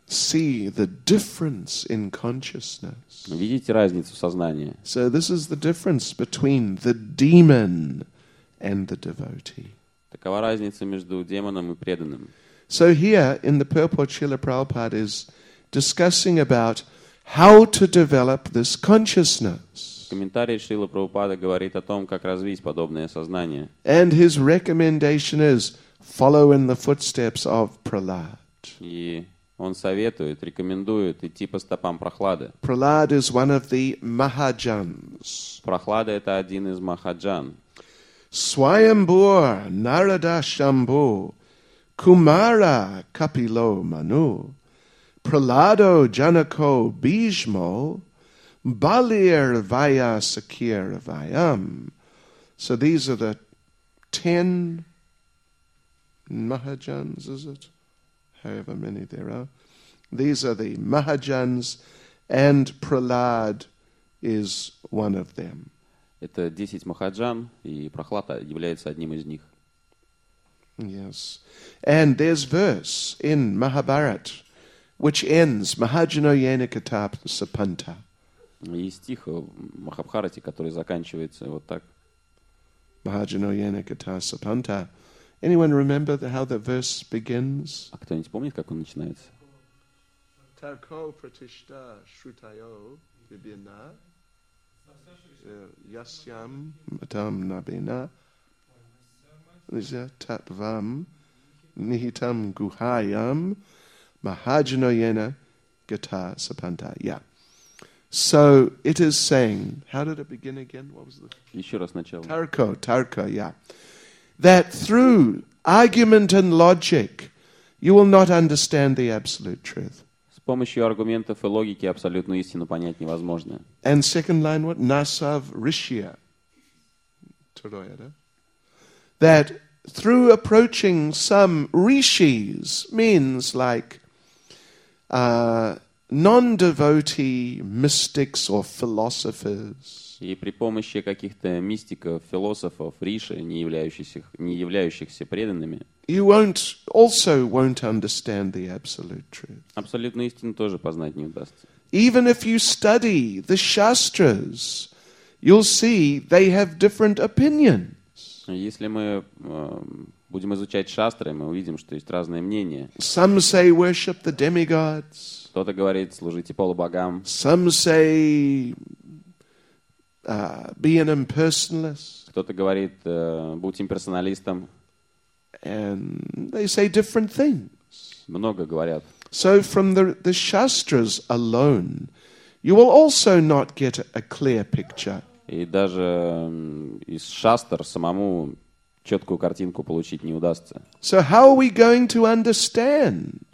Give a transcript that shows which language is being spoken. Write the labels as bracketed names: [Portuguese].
[English] See the difference in consciousness. [Russian] Видите разницу в сознании? [English] So this is the difference between the demon and the devotee. [Russian] Такова разница между демоном и преданным. [English] So here in the purport Srila Prabhupada is discussing about how to develop this consciousness. [Russian] Комментарий Шрилы Прабхупады говорит о том, как развить подобное сознание. [English] And his recommendation is follow in the footsteps of Prahlad. [Russian] И он советует, рекомендует идти по стопам Прохлады. [English] Prahlad is one of the Mahajans. [Russian] Прохлада это один из Махаджан. [Sanskrit] Swayambhur Narada Shambhu Kumara Kapilo Manu Prahlado Janako Bhishmo Balir Vaya Sakir Vayam. [English] So these are the 10 Mahajans, is it? However many there are. These are the Mahajans, and Prahlad is one of them. [Russian] Это 10 махаджан, и Прохлад является одним из них. [English] Yes. And there's verse in Mahabharat, which ends [Sanskrit] Mahajano Yenikatap Sapanta. [Russian] И стих в Махабхарате, который заканчивается вот так. [Sanskrit] Mahajano Yenikatap Sapanta. [English] Anyone remember how that verse begins? [Russian] А кто-нибудь помнит, как он начинается? [Sanskrit] Тарко пратишта шрутайо бибина ясям матам набина лиза татвам нихитам гухайам махаджино йена гита сапанта. [English] Yeah. So it is saying, how did it begin again? What was the... [Russian] Еще раз начало. [English] Тарко, yeah. That through argument and logic, you will not understand the absolute truth. [Russian] С помощью аргументов и логики абсолютную истину понять невозможно. [English] And second line, what? [Sanskrit] Насав Ришия. [Russian] Второе, да? [English] That through approaching some rishis means like non-devotee mystics or philosophers. [Russian] И при помощи каких-то мистиков, философов, риши, не являющихся преданными, [English] you won't understand the absolute truth. [Russian] Абсолютную истину тоже познать не удастся. [English] Even if you study the shastras, you'll see they have different opinions. [Russian] Если мы будем изучать шастры, мы увидим, что есть разные мнения. [English] Some say worship the demigods. [Russian] Кто-то говорит, служите полубогам. [English] Some say be an impersonalist. [Russian] Кто-то говорит, будь имперсоналистом. [English] And they say different things. [Russian] Много говорят. [English] So from the shastras alone, you will also not get a clear picture. [Russian] И даже из шастр самому четкую картинку получить не удастся. [English] So how are we going to understand?